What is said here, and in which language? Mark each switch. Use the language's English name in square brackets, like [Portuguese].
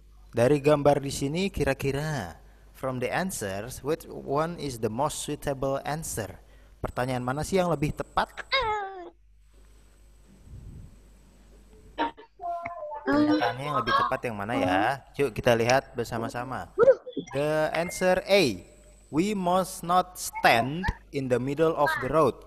[Indonesian] Dari gambar di sini, kira-kira [English] from the answers, which one is the most suitable answer? [Indonesian] Pertanyaan mana sih yang lebih tepat? Pertanyaan yang lebih tepat yang mana ya? Yuk kita lihat bersama-sama. [English] The answer A. We must not stand in the middle of the road.